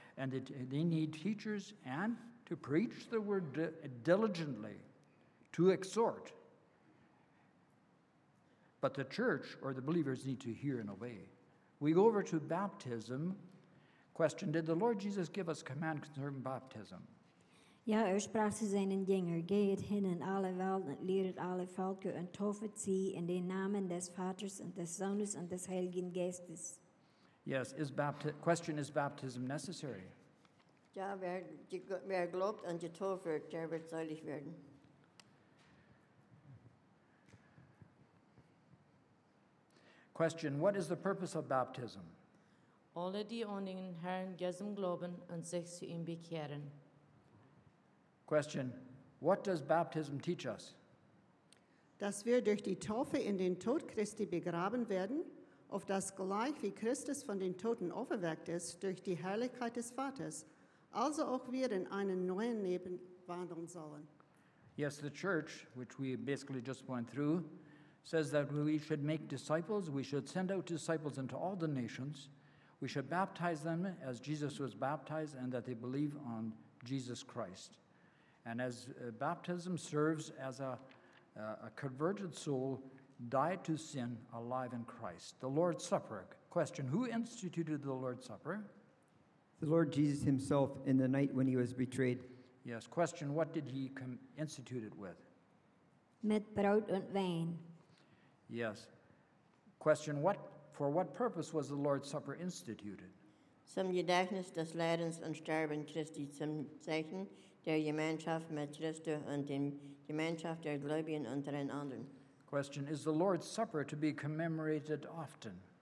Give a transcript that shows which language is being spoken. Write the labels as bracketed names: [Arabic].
[English] And they need teachers and to preach the word diligently, to exhort. But the church or the believers need to hear and obey. We go over to baptism. Question, did the Lord Jesus give us command concerning baptism? [German] Ja, sprach zu seinen Jüngern, geht hin in alle Welt und lehret alle Völker und taufet sie in den Namen des Vaters und des Sohnes und des Heiligen Geistes. [English] Yes, is baptism necessary? [German] Ja, wer glaubt und getauft, der wird selig werden. [English] Question, what is the purpose of baptism? [German] Alle, die an den Herrn Jesus glauben und sich zu ihm bekehren. [English] Question, what does baptism teach us? [German] Dass wir durch die Taufe in den Tod Christi begraben werden, auf das gleich wie Christus von den Toten auferweckt ist, durch die Herrlichkeit des Vaters, also auch wir in einen neuen Leben wandeln sollen. [English] Yes, the church, which we basically just went through, says that we should make disciples, we should send out disciples into all the nations, we should baptize them as Jesus was baptized, and that they believe on Jesus Christ. And as baptism serves as a converted soul, died to sin, alive in Christ. The Lord's Supper. Question, who instituted the Lord's Supper? The Lord Jesus himself in the night when he was betrayed. Yes, question, what did he institute it with? [German] Mit Brot und Wein. [English] Yes. Question, what purpose was the Lord's Supper instituted? [German] Zum Gedächtnis des Leidens und Sterben Christi zum Zeichen, der Gemeinschaft mit Christus und der Gemeinschaft der Gläubigen untereinander. [English] Question, is the Lord's Supper to be commemorated often?